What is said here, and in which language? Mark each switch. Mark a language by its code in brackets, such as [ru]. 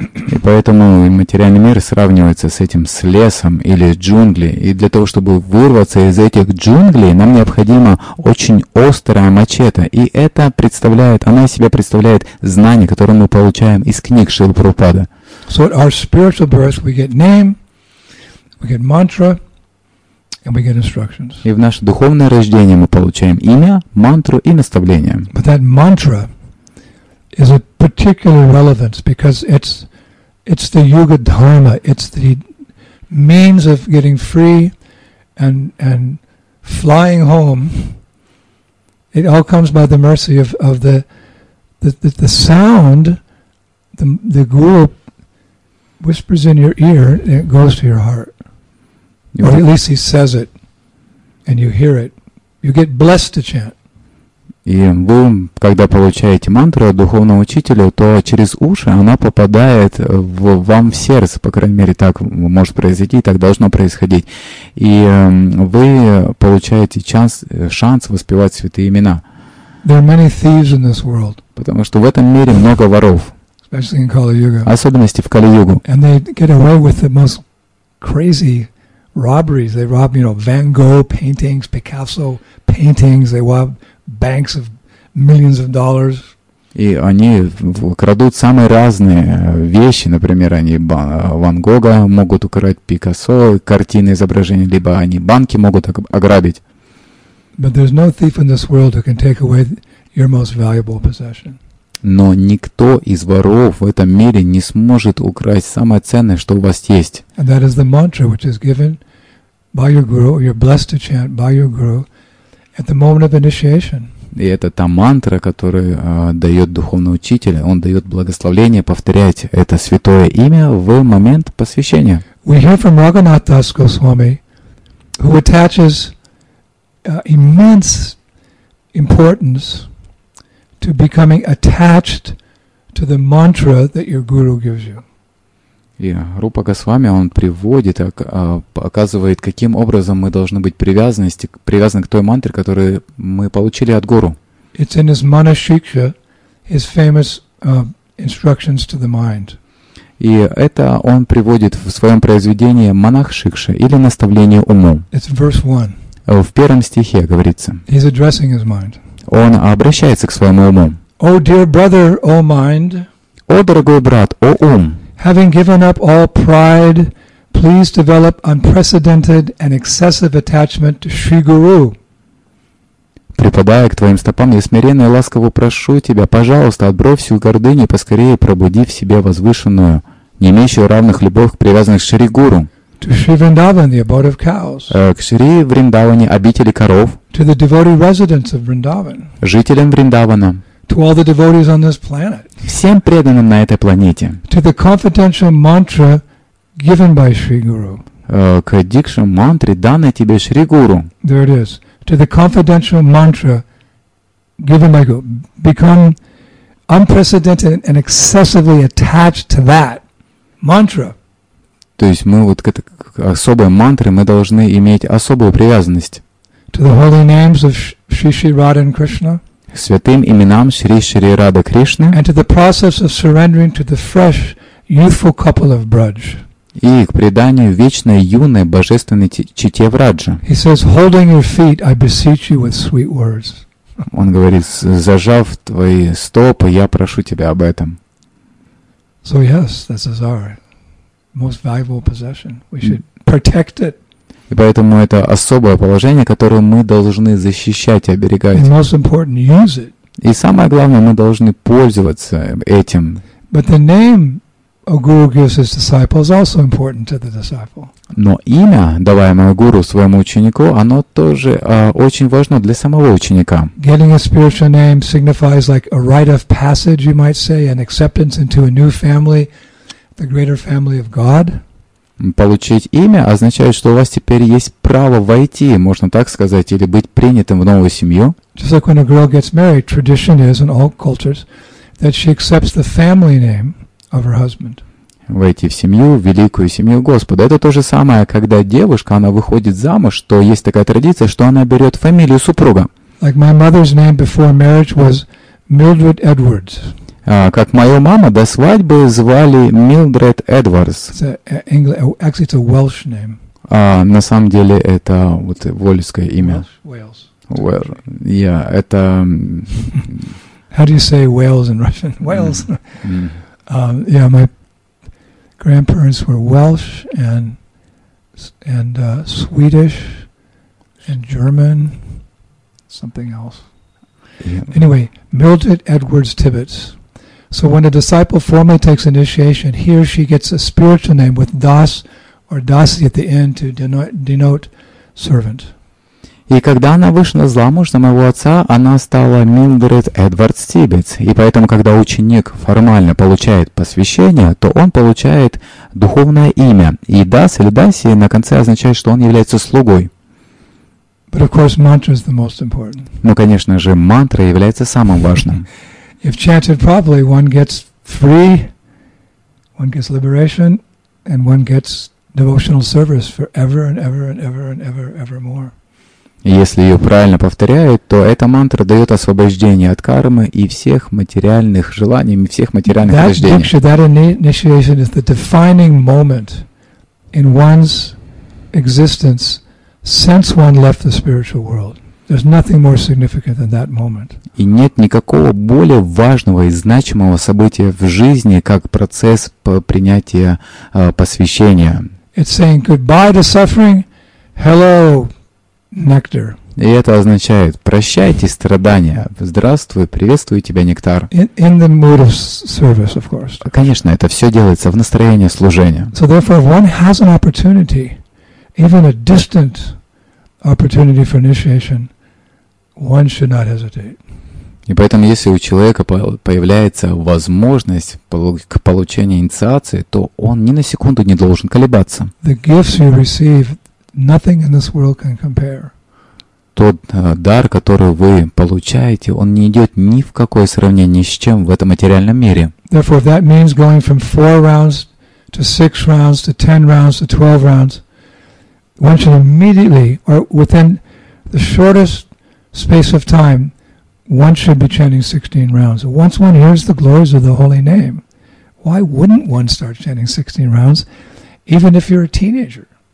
[ru] И поэтому материальный мир сравнивается с этим с лесом или с джунглей. И для того, чтобы вырваться из этих джунглей, нам необходима очень острая мачете. И это представляет, она из себя представляет знание, которое мы получаем из книг Шрилы Прабхупады. [en] So at our spiritual birth we get name, we get mantra, and we get instructions. [ru] И в наше духовное рождение мы получаем имя, мантру и наставление. [en] But that mantra is a particular relevance because it's the yuga dharma, it's the means of getting free and flying home. It all comes by the mercy of the sound, the guru whispers in your ear and it goes to your heart. Or at least he says it and you hear it. You get blessed to chant. [ru] И вы, когда получаете мантру от духовного учителя, то через уши она попадает вам в сердце, по крайней мере, так может произойти, так должно происходить. И вы получаете шанс воспевать святые имена. [en] There are many thieves in this world. [ru] Потому что в этом мире много воров. [en] Especially in Kali-Yuga. [ru] Особенности в Кали-Югу. [en] And they get away with the most crazy robberies. They rob, you know, Van Gogh paintings, Picasso paintings, they rob banks of millions of dollars. [ru] И они крадут самые разные вещи, например, они Ван Гога могут украсть, Пикассо картины, изображения, либо они банки могут ограбить. [en] But there's no thief in this world who can take away your most valuable possession. [ru] Но никто из воров в этом мире не сможет украсть самое ценное, что у вас есть. [en] And that is the mantra which is given by your guru. You're blessed to chant by your guru at the moment of initiation. [ru] И это та мантра, которую дает духовный учитель. Он дает благословение повторять это святое имя в момент посвящения. [en] We hear from Raghunath Das Goswami, who attaches immense importance to becoming attached to the mantra that your guru gives you. [ru] И Рупа Госвами, он приводит, показывает, каким образом мы должны быть привязаны к той мантре, которую мы получили от Гуру. [en] It's in his Manashiksha, his famous instructions to the mind. [ru] И это он приводит в своем произведении Манахшикша, или наставление уму. [en] It's verse 1. [ru] В первом стихе говорится. [en] He's addressing his mind. [ru] Он обращается к своему уму. [en] O dear brother, O mind. [ru] О, дорогой брат, о ум. [en] Having given up all pride, please develop unprecedented and excessive attachment to Sri Guru. [ru] Припадая к твоим стопам, я смиренно и ласково прошу тебя, пожалуйста, отбрось всю гордыню и поскорее пробуди в себе возвышенную, не имеющую равных любовь к привязанной к Шри Гуру. [en] To Sri Vrindavan, the abode of cows. [ru] К Шри Вриндаване, обители коров. [en] To the devotee residents of Vrindavan. [ru] Жителям Вриндавана. [en] To all the devotees on this planet. [ru] Всем преданным на этой планете. [en] To the confidential mantra given by Sri Guru. [ru] К дикшу мантре, данной тебе Шри Гуру. [en] There it is. To the confidential mantra given by Guru. Become unprecedented and excessively attached to that mantra. [ru] То есть мы вот к этой особой мантре мы должны иметь особую привязанность. [en] To the holy names of Sri Sri Radha and Krishna. [ru] Святым именам Шри Шри Рада Кришны. [en] And to the process of surrendering to the fresh, youthful couple of Braj. [ru] И к преданию вечной юной божественной чете Враджа. [en] He says, holding your feet, I beseech you with sweet words. [ru] Он говорит, зажав твои стопы, я прошу тебя об этом. [en] So yes, this is our most valuable possession. We should protect it. [ru] И поэтому это особое положение, которое мы должны защищать и оберегать. [en] And most important, use it. [ru] И самое главное, мы должны пользоваться этим. [en] But the name Guru gives his disciple is also important to the disciple. [ru] Но имя, даваемое гуру своему ученику, оно тоже очень важно для самого ученика. [en] Getting a spiritual name signifies like a rite of passage, you might say, an acceptance into a new family, the greater family of God. [ru] Получить имя означает, что у вас теперь есть право войти, можно так сказать, или быть принятым в новую семью. [en] Just like when a girl gets married, tradition is in all cultures that she accepts the family name of her husband. [ru] Войти в семью, в великую семью Господа. Это то же самое, когда девушка, она выходит замуж, то есть такая традиция, что она берет фамилию супруга. [en] Like my mother's name before marriage was Mildred Edwards. [ru] Как мою маму до свадьбы звали Милдред Эдвардс. [en] Actually, it's a Welsh name. [ru] На самом деле, это вот уэльское имя. [en] Wales. Well, yeah, [ru] это... [en] How do you say Wales in Russian? Wales. Yeah, my grandparents were Welsh and Swedish and German, something else. Yeah. Anyway, Mildred Edwards Tibbetts. So when a disciple formally takes initiation, he or she gets a spiritual name with das or dasi at the end to denote servant. [ru] И когда она вышла замуж за моего отца, она стала Милдред Эдвардс Тибетс. И поэтому, когда ученик формально получает посвящение, то он получает духовное имя. И дас или даси на конце означает, что он является слугой. [en] But of course, mantra is the most important. [ru] Ну, конечно же, мантра является самым важным. [en] If chanted properly, one gets free, one gets liberation, and one gets devotional service forever and ever and ever and ever ever more. [ru] Если ее правильно повторяют, то эта мантра дает освобождение от кармы и всех материальных желаний, и всех материальных рождений. [en] That diksha, that initiation is the defining moment in one's existence since one left the spiritual world. There's nothing more significant than that moment. [ru] И нет никакого более важного и значимого события в жизни, как процесс принятия посвящения. [en] It's saying goodbye to suffering, hello, nectar. [ru] И это означает прощайте страдания, здравствуй, приветствую тебя, нектар. [en] In the mood of service, of course. [ru] Конечно, это все делается в настроении служения. [en] So therefore, if one has an opportunity, even a distant opportunity for initiation, one should not hesitate. [ru] И поэтому, если у человека появляется возможность к получению инициации, то он ни на секунду не должен колебаться. [en] The gifts you receive, nothing in this world can compare. [ru] Тот дар, который вы получаете, он не идет ни в какое сравнение с чем в этом материальном мире. [en] Therefore, that means going from 4 rounds to 6 rounds to 10 rounds to 12 rounds, one should immediately or within the shortest space of time, one should be chanting 16 rounds. Once one hears the glories of the holy name, why wouldn't one start chanting 16 rounds, even if you're a teenager?